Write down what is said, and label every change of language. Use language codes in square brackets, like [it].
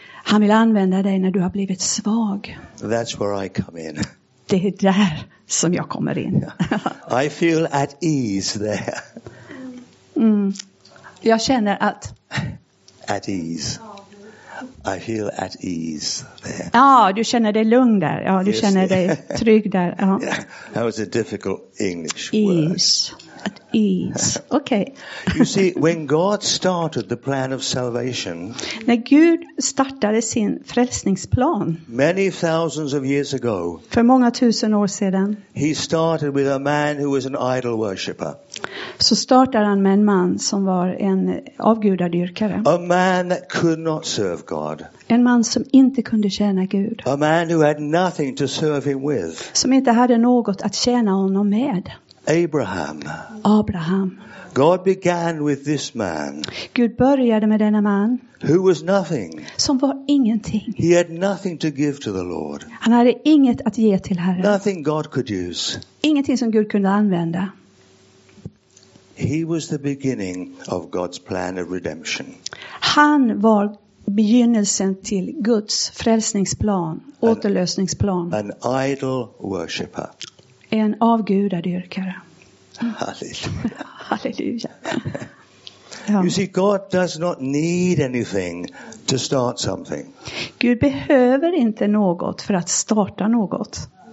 [sv] Han vill använda dig när du har blivit svag. [en] That's where I come in. [sv] Det är där som jag kommer in. [en] I feel at ease there. [sv] Jag känner att [en] at ease. I feel at ease there. [sv] Ja, du känner dig lugn där. Ja, du känner dig trygg där. Ja. [en] Yeah. That was a difficult English ease. Word. Ease. At ease. Okay. You see, when God started the plan of salvation. [sv] När Gud startade sin frälsningsplan. [en] Many thousands of years ago. [sv] För många tusen år sedan. [en] He started with a man who was an idol worshipper. [sv] Så startade han med en man som var en avgudadyrkare. [en] A man that could not serve God. [sv] En man som inte kunde tjäna Gud. [en] A man who had nothing to serve him with. [sv] Som inte hade något att tjäna honom med. [en] Abraham. [sv] Abraham. [en] God began with this man. [sv] Gud började med denna man. [en] Who was nothing. [sv] Som var ingenting. [en] He had nothing to give to the Lord. [sv] Han hade inget att ge till Herren. [en] Nothing God could use. [sv] Ingenting som Gud kunde använda. [en] He was the beginning of God's plan of redemption. [sv] Han var begynnelsen till Guds frälsningsplan, återlösningsplan. [en] An idol worshipper. [sv] En avgudadyrkare. Halleluja. Halleluja. [en] You see, God does not need anything to start something. [sv] Gud behöver inte något för att starta något.